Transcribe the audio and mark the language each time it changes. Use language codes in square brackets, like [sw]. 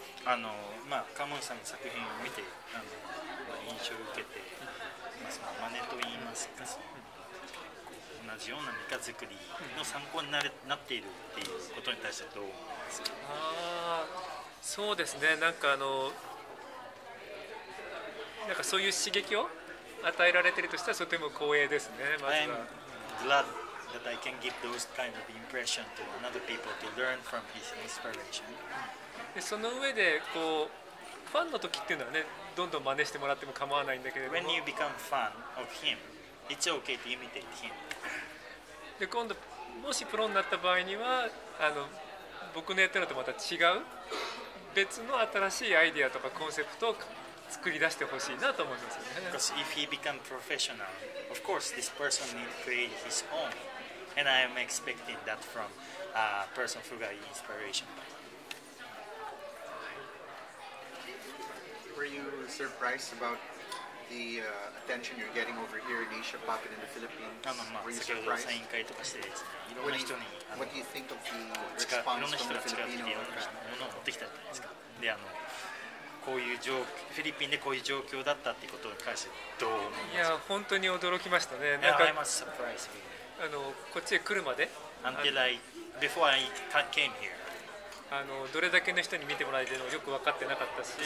[ja] あのまあ、カモンさんの作品を見て印象を受けて、まあ、その真似といいますか、同じようなミカ作りの参考に なっているっていうことに対してどう思いますか？ああ、そうですね。なんかあのなんかそういう刺激を与えられているとしたらとても光栄ですね。まずは。 [en] I'm gladthat I can give those kind of impression to another people to learn from his inspiration. [ja] でその上でこうファンの時っていうのはね、どんどん真似してもらっても構わないんだけれども。 [en] When you become fan of him, it's okay to imitate him. [ja] で今度もしプロになった場合には、あの僕のやってるのとまた違う別の新しいアイデアとかコンセプトを作り出してほしいなと思いますよね。 [en] Because if he become professional, of course this person need to create his own. And I am expecting that from a person who got inspiration. Were you surprised about the attention you're getting over here in Asia, popping in the Philippines? [ja] まあまあ、 [en] Were you surprised? [ja] 先ほどサイン会とかしてですね、いろんな人に、 [en] What do you think of the response from the Filipino fans? [ja] ものを持ってきたじゃないですか。で、あの、こういう状況、フィリピンでこういう状況だったっていうことに関してどう思いますか？いや、本当に驚きましたね。 [en] なんか、I'm surprised. [ja] あのこっちへ来るまで [en] Until I, before I came here. [ja] あのどれだけの人に見てもらえてるのよく分かってなかったし、